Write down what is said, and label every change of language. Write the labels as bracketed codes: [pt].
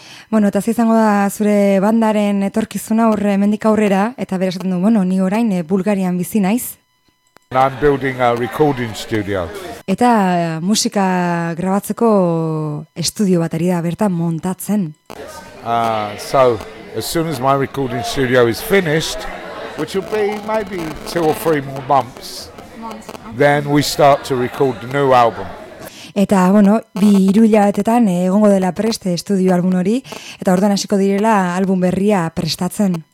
[eu] Bueno, eta izango da zure bandaren etorkizuna hor hemendik aurrera, eta bera esaten du, bueno, ni orain Bulgarian bizi naiz. [en] And I'm building a recording studio. [eu] Eta musika grabatzeko estudio bat ari da bertan montatzen. [en] So as soon as my recording studio is finished, which will be maybe 2 or 3 more months, then we start to record the new album. [eu] Eta bueno, bi hiruhilabetetan egongo dela preste estudio album hori, eta orduan hasiko direla album berria prestatzen.